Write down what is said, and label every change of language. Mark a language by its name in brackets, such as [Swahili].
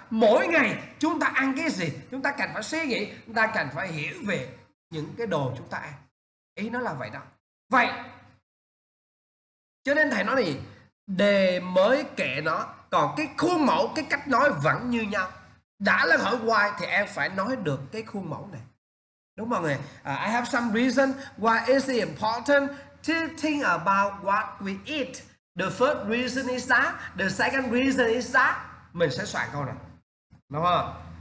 [Vietnamese] Mỗi ngày chúng ta ăn cái gì, chúng ta cần phải suy nghĩ, chúng ta cần phải hiểu về những cái đồ chúng ta ăn. Ý nó là vậy đó. Vậy, cho nên thầy nói gì? Đề mới kể nó, còn cái khuôn mẫu, cái cách nói vẫn như nhau. Đã là hỏi why thì em phải nói được cái khuôn mẫu này, đúng không mọi người? [English] I have some reason why it's important to think about what we eat. The first reason is that. The second reason is that. [Vietnamese] Mình sẽ soạn câu này, đúng không?